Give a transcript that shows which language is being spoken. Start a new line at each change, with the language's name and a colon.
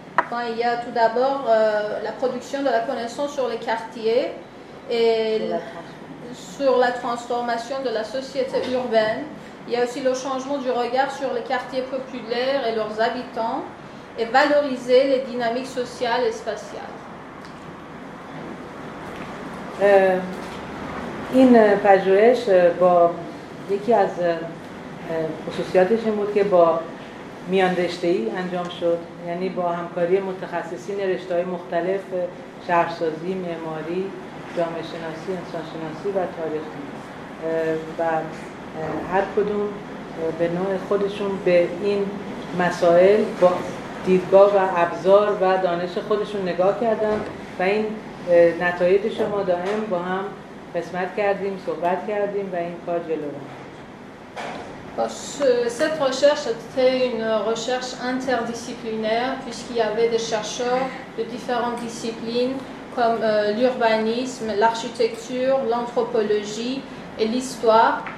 French: Bon, il y a tout d'abord la production de la connaissance sur les quartiers et sur la transformation de la société urbaine. Il y a aussi le changement du regard sur les quartiers populaires et leurs habitants et valoriser les dynamiques sociales et spatiales.
Persian: این پژوهش با یکی از خصوصیاتش این بود که با میاندشتهی انجام شد، یعنی با همکاری متخصصین رشته‌های مختلف شهرسازی، معماری، جامعه شناسی، انسان شناسی و تاریخ و هر کدوم به نوع خودشون به این مسائل با دیدگاه و ابزار و دانش خودشون نگاه کردن و این نتایج شما دائم با هم قسمت کردیم، صحبت کردیم و این کار جلو رفت.
French: Cette recherche était une recherche interdisciplinaire puisqu'il y avait des chercheurs de différentes disciplines comme l'urbanisme, l'architecture, l'anthropologie et l'histoire.